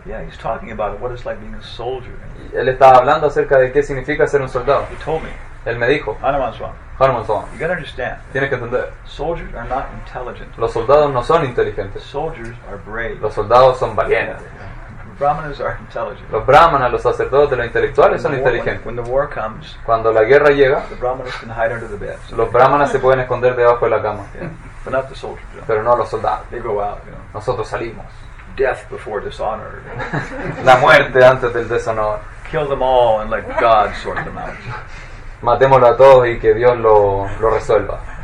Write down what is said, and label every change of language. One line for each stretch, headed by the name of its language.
English: Yeah, he's talking about what it's like being a soldier.
Spanish: Él estaba hablando acerca de qué significa ser un soldado.
English: He told me.
Spanish: Él me dijo.
English: Hanuman Swan. You gotta understand.
Spanish: Tienes que entender.
English: Soldiers are not intelligent.
Spanish: Los soldados no son inteligentes.
English: Soldiers are brave.
Spanish: Los soldados son valientes.
English: Brahmanas are intelligent.
Spanish: Los brahmanas, los sacerdotes, los intelectuales son inteligentes.
English: When the war comes,
Spanish: cuando la guerra llega,
English: the brahmanas can hide under the bed.
Spanish: So los brahmanas se pueden esconder debajo de la cama.
English: Yeah. But not the soldiers. No.
Spanish: Pero no los soldados.
English: They go out,
Spanish: Nosotros salimos.
English: Death before dishonor.
Spanish: La muerte antes del deshonor.
English: Kill them all and let God sort them out.
Spanish: Matémoslo a todos y que Dios lo resuelva.